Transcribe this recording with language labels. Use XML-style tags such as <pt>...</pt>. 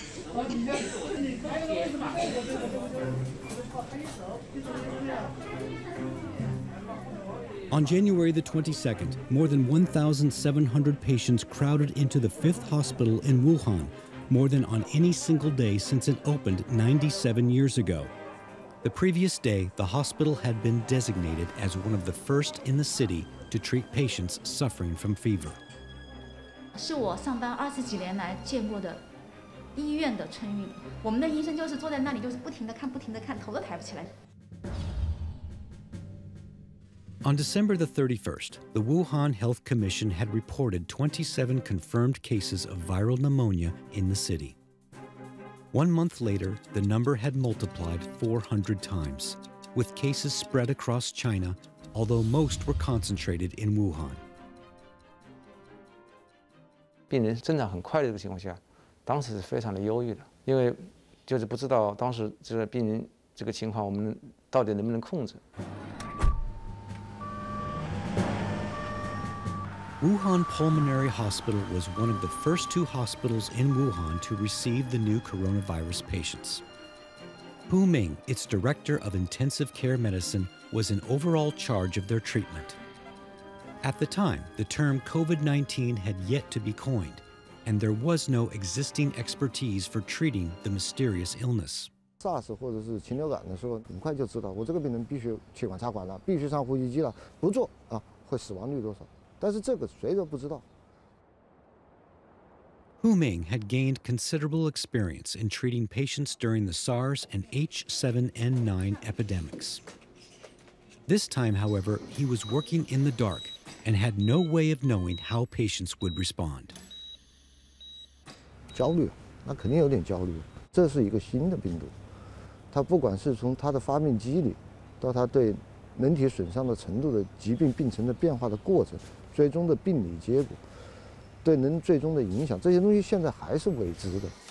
<en>On January the 22nd, more than 1,700 patients crowded into the fifth hospital in Wuhan, more than on any single day since it opened 97 years ago. The previous day, the hospital had been designated as one of the first in the city to treat patients suffering from fever.</en> <zh>是我上班二十几年来见过的医院的春运。我们的医生就是坐在那里，就是不停的看，不停的看，头都抬不起来。</zh> <en>On December the 31st, the Wuhan Health Commission had reported 27 confirmed cases of viral pneumonia in the city. 1 month later, the number had multiplied 400 times, with cases spread across China, although most were concentrated in Wuhan.</en> <zh>病人增长很快的这个情况下，当时是非常的忧郁的，因为就是不知道当时这个病人这个情况我们到底能不能控制。</zh> <en>Wuhan Pulmonary Hospital was one of the first two hospitals in Wuhan to receive the new coronavirus patients. Hu Ming, its director of intensive care medicine, was in overall charge of their treatment. At the time, the term COVID-19 had yet to be coined, and there was no existing expertise for treating the mysterious illness.</en> <zh>SARS 或者是禽流感的时候，很快就知道，我这个病人必须气管插管了，必须上呼吸机了，不做啊，会死亡率多少？但是这个谁都不知道。</zh> <en>Hu Ming had gained considerable experience in treating patients during the SARS and H7N9 epidemics. This time, however, he was working in the dark and had no way of knowing how patients would respond.</en> <zh>焦虑，那肯定有点焦虑。这是一个新的病毒，它不管是从它的发病机理，到它对人体损伤的程度的疾病病程的变化的过程。最终的病理结果，对人最终的影响，这些东西现在还是未知的。</zh>